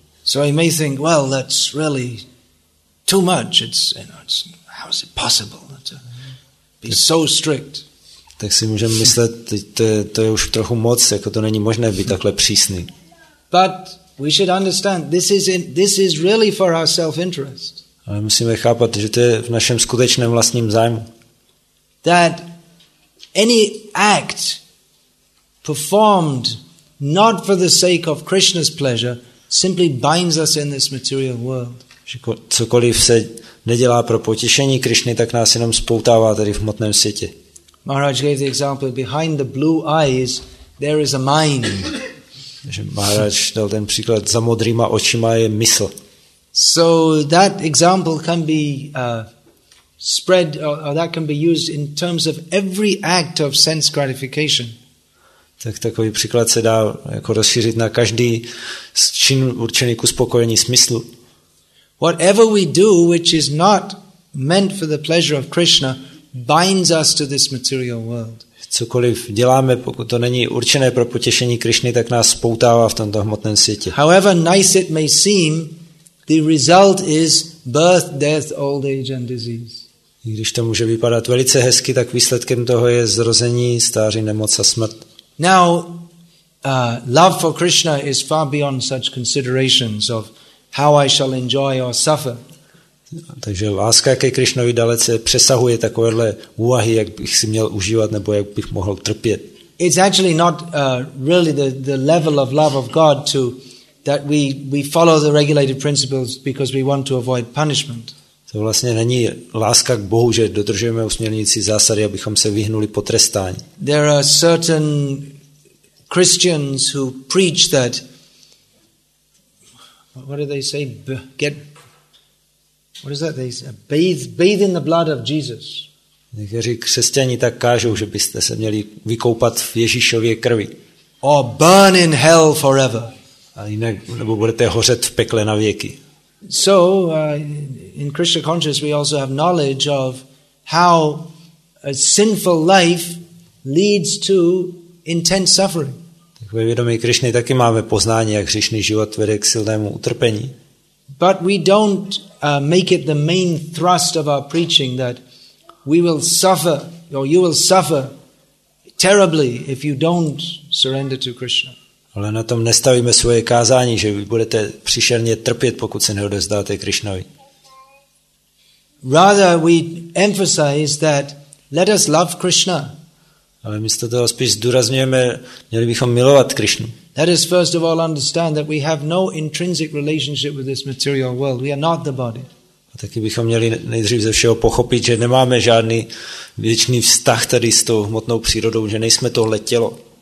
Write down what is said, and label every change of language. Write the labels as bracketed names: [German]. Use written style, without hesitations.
[English] So you may think, well, that's really too much. It's, you know, it's, how is it possible to be so strict? [Czech] Tak si můžeme myslet, to je už trochu moc, jako to není možné být takhle přísný. [English] But we should understand, this is really for our self-interest. [Czech] Ale musíme chápat, že to je v našem skutečném vlastním zájmu. [English] That any act performed not for the sake of Krishna's pleasure, simply binds us in this material world. [Czech] Cokoliv se nedělá pro potěšení Krišny, tak nás jenom spoutává tady v hmotném světě. [English] Maharaj gave the example, behind the blue eyes, there is a mind. [Czech] Maharaj dal ten příklad, za modrýma očima je mysl. [English] So that example can be spread, or that can be used in terms of every act of sense gratification. [Czech] Tak takový příklad se dá jako rozšířit na každý čin určený k uspokojení smyslu. [English] Whatever we do, which is not meant for the pleasure of Krishna, binds us to this material world. [Czech] Cokoliv děláme, pokud to není určené pro potěšení Krišny, tak nás spoutává v tomto hmotném světě. [English] However nice it may seem, the result is birth, death, old age and disease. [Czech] I když to může vypadat velice hezky, tak výsledkem toho je zrození, stáří, nemoc a smrt. [English] Now, love for Krishna is far beyond such considerations of how I shall enjoy or suffer. [Czech] Takže láska ke Krišnovi dalece přesahuje takovéhle úvahy, jak bych si měl užívat nebo jak bych mohl trpět. [English] It's actually not really the level of love of God to that we follow the regulated principles because we want to avoid punishment. [Czech] To vlastně není láska k Bohu, že dodržujeme usměrnící zásady, abychom se vyhnuli potrestání. [English] There are certain Christians who preach that, what do they say, get, what is that they say, bathe in the blood of Jesus. [Czech] Někteří křesťani tak kážou, že byste se měli vykoupat v Ježíšově krvi. [English] Or burn in hell forever. [Czech] A jinak, nebo budete hořet v pekle na věky. [English] So in Krishna consciousness we also have knowledge of how a sinful life leads to intense suffering. [Czech] Tak ve vědomí Krišny taky máme poznání, jak hříšný život vede k silnému utrpení. [English] But we don't make it the main thrust of our preaching that we will suffer or you will suffer terribly if you don't surrender to Krishna. [Czech] Ale na tom nestavíme svoje kázání, že vy budete příšerně trpět, pokud se neodevzdáte Krišnovi. [English] Rather we emphasize that let us love Krishna. [Czech] Ale místo toho spíš zdůrazňujeme, měli bychom milovat Krišnu. [English] Let us first of all understand that we have no intrinsic relationship with this material world. We are not the body. [Czech] A taky bychom měli nejdřív ze všeho pochopit, že nemáme žádný věčný vztah tady s tou hmotnou přírodou, že nejsme tohle tělo.